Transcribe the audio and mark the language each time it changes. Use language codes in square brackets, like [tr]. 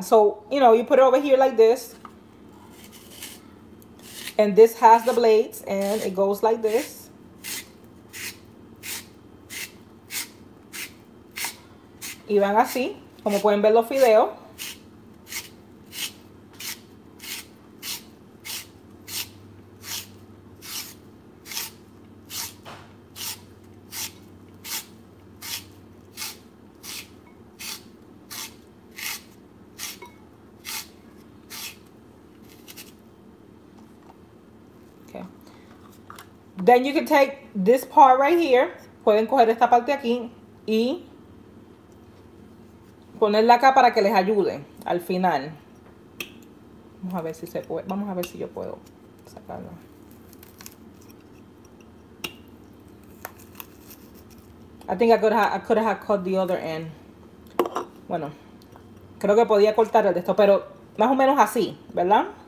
[en] So, you know, you put it over here like this, and this has the blades and it goes like this. [es] Y van así, como pueden ver los fideos. [en] Okay. Then you can take this part right here. [es] Pueden coger esta parte aquí y ponerla acá para que les ayude al final. Vamos a ver si se puede. Vamos a ver si yo puedo sacarla. [en] I think I could have cut the other end. [es] Bueno, creo que podía cortar el de esto, pero más o menos así, ¿verdad?